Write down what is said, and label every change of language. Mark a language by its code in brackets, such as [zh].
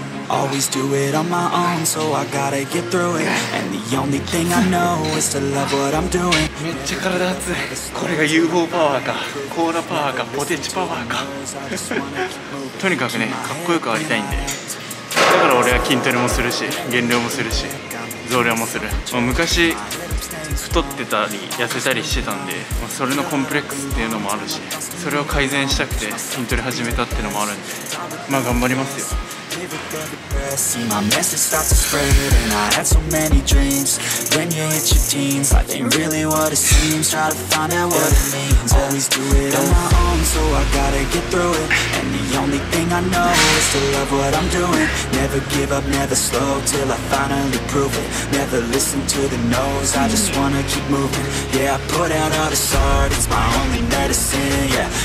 [en] Always do it on my own, so I gotta get through it. And the only thing I know is to love what I'm doing. [ja] めっちゃ体熱い。これが UFO パワーか、コーラパワーか、ポテチパワーか。とにかくね、かっこよくありたいんで。だから俺は筋トレもするし、減量もするし、増量もする。もう昔、太ってたり痩せたりしてたんで、それのコンプレックスっていうのもあるし、それを改善したくて筋トレ始めたっていうのもあるんで、まあ頑張りますよ。 [en] See my message start to spread and I had so many dreams When you hit your teens, life ain't really what it seems Try to find out what it means Always do it on my own so I gotta get through it And the only thing I know is to love what I'm doing Never give up, never slow till I finally prove it Never listen to the no's, I just wanna keep moving Yeah, I put out all this art, it's my only medicine Yeah,